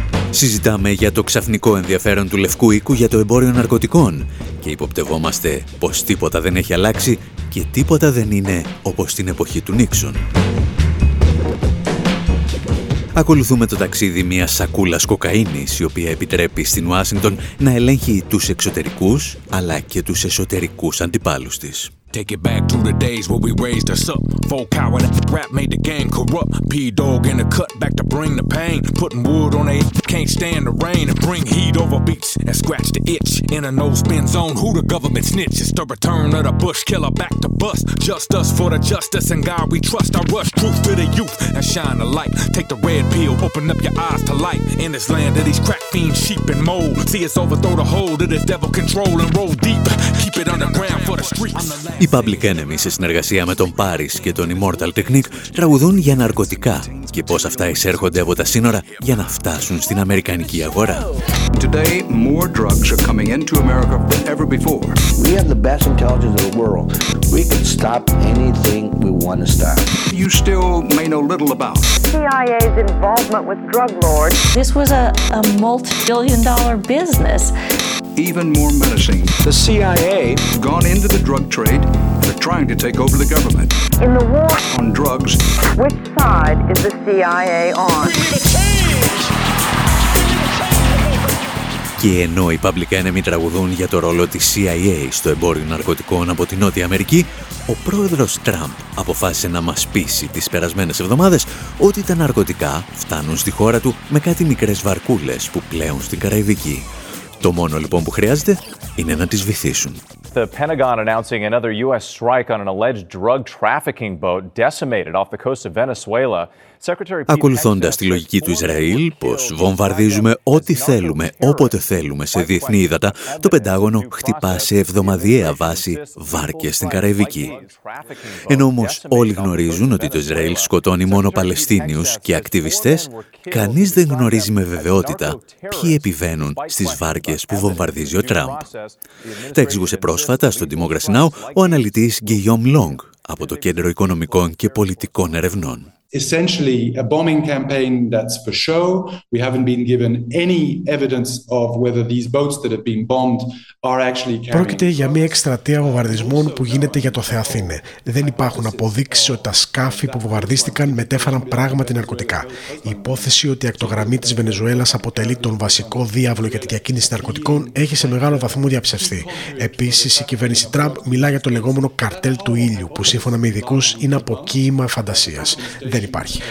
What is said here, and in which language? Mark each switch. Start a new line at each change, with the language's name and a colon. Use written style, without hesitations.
Greek: Συζητάμε για το ξαφνικό ενδιαφέρον του Λευκού Οίκου για το εμπόριο ναρκωτικών και υποπτευόμαστε πως τίποτα δεν έχει αλλάξει και τίποτα δεν είναι όπως την εποχή του Νίξον. Ακολουθούμε το ταξίδι μιας σακούλας κοκαίνης, η οποία επιτρέπει στην Ουάσιγκτον να ελέγχει τους εξωτερικούς, αλλά και τους εσωτερικούς αντιπάλους της.
English: Take it back to the days where we raised us up. Folk coward at the rap made the gang corrupt. P-Dog in the cut back to bring the pain. Putting wood on a can't stand the rain. And bring heat over beats and scratch the itch. In a no-spin zone, who the government snitch? It's the return of the bush killer back to bust. Just us for the justice and God we trust. I rush truth to the youth and shine the light. Take the red pill, open up your eyes to light. In this land of these crack fiends, sheep and mold. See us overthrow the hold of this devil control. And roll deep, keep it underground for the streets.
Greek: Οι Public Enemy, σε συνεργασία με τον Paris και τον Immortal Technique, τραγουδούν για ναρκωτικά και πώς αυτά εισέρχονται από τα σύνορα για να φτάσουν στην αμερικανική αγορά.
English: Today, more drugs are coming into America than ever before. We have the best intelligence in the world. We can stop anything we want to stop. You still may know little about CIA's involvement with drug lords. This was a multi-billion dollar business. Even more menacing. The CIA gone into the drug trade. They're trying to take over the government. In the war on drugs, which side is the CIA on?
Greek: Και ενώ οι Public Enemy τραγουδούν για το ρόλο της CIA στο εμπόριο ναρκωτικών από τη Νότια Αμερική, ο πρόεδρος Τραμπ αποφάσισε να μας πείσει τις περασμένες εβδομάδες ότι τα ναρκωτικά φτάνουν στη χώρα του με κάτι μικρές βαρκούλες που πλέουν στην Καραϊβική. Το μόνο λοιπόν που χρειάζεται είναι να τις βυθίσουν.
English: The Pentagon announcing another U.S. strike on an alleged drug trafficking boat decimated off the coast of Venezuela.
Greek: Ακολουθώντας τη λογική του Ισραήλ, πως βομβαρδίζουμε ό,τι θέλουμε, όποτε θέλουμε σε διεθνή ύδατα, το Πεντάγωνο χτυπά σε εβδομαδιαία βάση βάρκες στην Καραϊβική. Ενώ όμως όλοι γνωρίζουν ότι το Ισραήλ σκοτώνει μόνο Παλαιστίνιους και ακτιβιστές, κανείς δεν γνωρίζει με βεβαιότητα ποιοι επιβαίνουν στις βάρκες που βομβαρδίζει ο Τραμπ. Τα εξηγούσε πρόσφατα στο Democracy Now ο αναλυτής Guillaume Long από το Κέντρο Οικονομικών και Πολιτικών Ερευνών.
English: Essentially a bombing campaign that's for show. We haven't been given any evidence of whether these boats that have been bombed are actually carrying.
Greek: Πρόκειται για μια εκστρατεία βομβαρδισμών που γίνεται για το Θεάθηνε. Δεν υπάρχουν αποδείξεις ότι τα σκάφη που βομβαρδίστηκαν μετέφεραν πράγματι ναρκωτικά. Η υπόθεση ότι η ακτογραμμή της Βενεζουέλας αποτελεί τον βασικό διάβολο για τη διακίνηση ναρκωτικών έχει σε μεγάλο βαθμό διαψευστεί. Επίσης, η κυβέρνηση Τραμπ μιλά για το λεγόμενο καρτέλ του ήλιου, που σύμφωνα με ειδικούς είναι αποκύημα φαντασίας. Δεν υπάρχει.